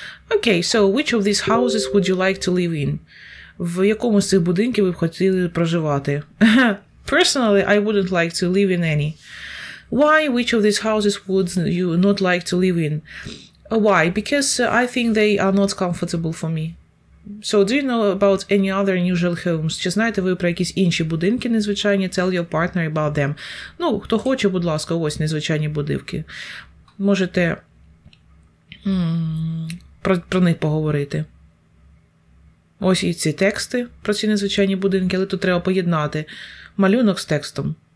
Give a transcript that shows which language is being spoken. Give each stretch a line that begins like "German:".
English: Okay, so which of these houses would you like to live in?
Ukrainian: В якому з цих будинків ви б хотіли проживати?
English: Personally, I wouldn't like to live in any. Why, which of these houses would you not like to live in? Why? Because I think they are not comfortable for me. So, do you know about any other unusual homes?
Ukrainian: Чи знаєте ви про якісь інші будинки незвичайні?
English: Tell your partner about them.
Ukrainian: Ну, хто хоче, будь ласка, ось незвичайні будинки. Можете про них поговорити. Ось і ці тексти про ці незвичайні будинки, але тут треба поєднати малюнок з текстом.